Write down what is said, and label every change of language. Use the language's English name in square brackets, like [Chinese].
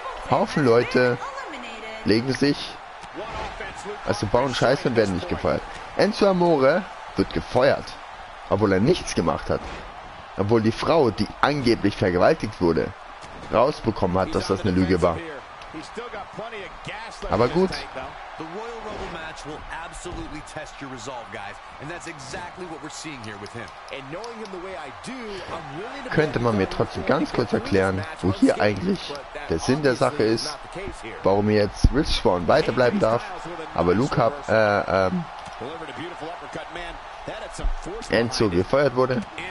[German] Haufen Leute legen sich, also bauen Scheiße und werden nicht gefeuert. Enzo Amore wird gefeuert, obwohl er nichts gemacht hat. Obwohl die Frau, die angeblich vergewaltigt wurde, rausbekommen hat, dass das eine Lüge war. Aber gut. [English] The Royal Rumble match will absolutely test your resolve, guys, and that's exactly what we're seeing here with him. And knowing him the way I do, I'm willing to. [German] Könnte man mir trotzdem ganz kurz erklären, wo hier eigentlich der Sinn der Sache ist, warum er jetzt Rich Swann weiterbleiben darf, aber Luke hat Enzo gefeuert wurde.